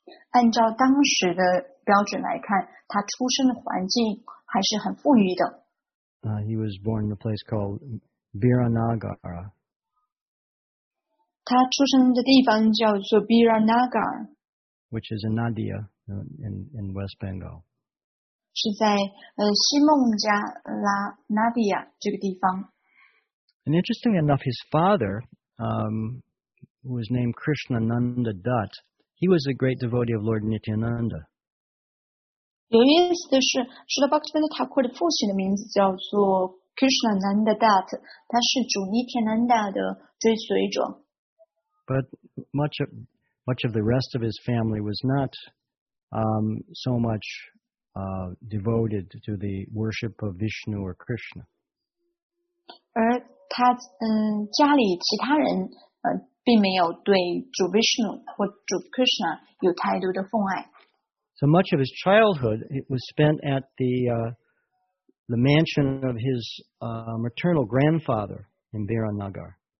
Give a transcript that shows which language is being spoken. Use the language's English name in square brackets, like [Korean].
[Chinese] 按照当时的标准来看，他出生的环境还是很富裕的。 [English] He was born in a place called Biranagara. [Chinese] 他出生的地方叫做 Biranagara, [English] which is in Nadia in West Bengal. [Chinese] 是在西孟加拉 Nadia 这个地方。 [English] And interestingly enough, his father, who was named Krishnananda Dutt, he was a great devotee of Lord Nityananda. [Chinese] 有意思的是 Srila Bhaktivinoda Thakur 的父亲的名字叫做 Krishnananda Dutt, 他是主尼天南达的追随者。 [English] But much of the rest of his family was not so much devoted to the worship of Vishnu or Krishna. [Chinese] 而他家里其他人并没有对主 Vishnu 或主 Krishna 有太多的奉爱。 [English] So much of his childhood it was spent at the mansion of his maternal grandfather in Biranagar.